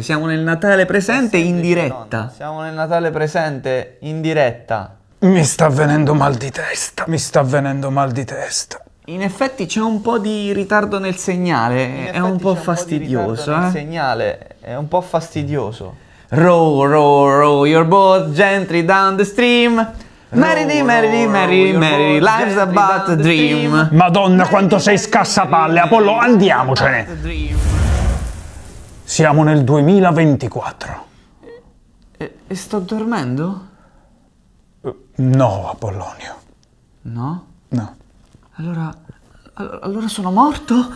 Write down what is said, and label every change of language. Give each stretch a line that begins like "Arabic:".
Italian: Siamo nel Natale presente in diretta. Nonno. Siamo nel Natale presente in diretta. Mi sta venendo mal di testa, mi sta venendo mal di testa. In effetti c'è un po' di ritardo nel segnale, è un po' fastidioso. Il segnale è un po' fastidioso.
English: Row, row, row your boat gently down the stream. Merrily, merrily, merrily, merrily, life's about a dream.
Italian: Madonna, quanto sei scassapalle, Apollo, andiamocene. Siamo nel 2024. E sto dormendo? No, Apollonio. No? No. Allora sono morto?